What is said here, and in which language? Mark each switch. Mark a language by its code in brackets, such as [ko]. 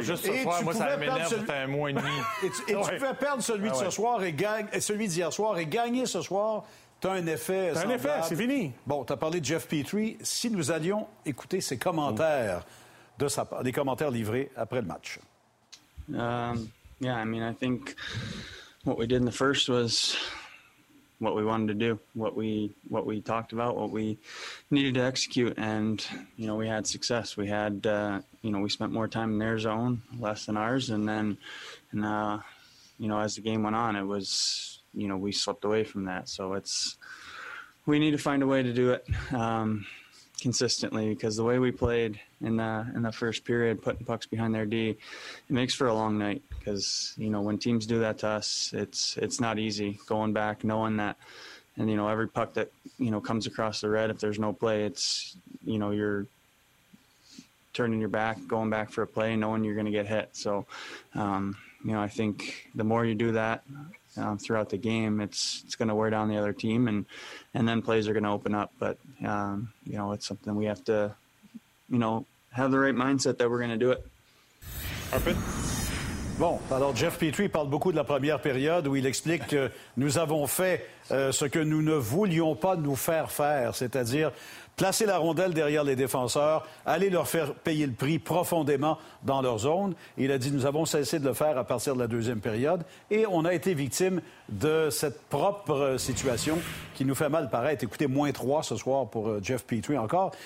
[fr] Juste ce soir, moi, ça m'énerve, c'était un mois et demi. Tu pouvais perdre celui de ce soir et celui d'hier soir et gagner ce soir. T'as un effet. T'as un effet, c'est fini. Bon, t'as parlé de Jeff Petrie. Si nous allions écouter ses commentaires, des commentaires livrés après le match. [en] Yeah, I mean, I think what we did in the first was... what we wanted to do, what we talked about, what we needed to execute. And, you know, we had success. We had, you know, we spent more time in their zone, less than ours. And then, you know, as the game went on, it was, you know, we slipped away from that. So it's, we need to find a way to do it consistently, because the way we played in the first period, putting pucks behind their D, it makes for a long night. Because, you know, when teams do that to us, it's not easy going back, knowing that, and, you know, every puck that, you know, comes across the red, if there's no play, it's, you know, you're turning your back, going back for a play, knowing you're going to get hit. So, you know, I think the more you do that throughout the game, it's going to wear down the other team, and then plays are going to open up. But, you know, it's something we have to, you know, have the right mindset that we're going to do it. Harpin. [fr] Bon, alors Jeff Petrie parle beaucoup de la première période où il explique que nous avons fait ce que nous ne voulions pas nous faire faire, c'est-à-dire placer la rondelle derrière les défenseurs, aller leur faire payer le prix profondément dans leur zone. Il a dit « Nous avons cessé de le faire à partir de la deuxième période et on a été victime de cette propre situation qui nous fait mal paraître. » Écoutez, moins 3 ce soir pour Jeff Petrie encore.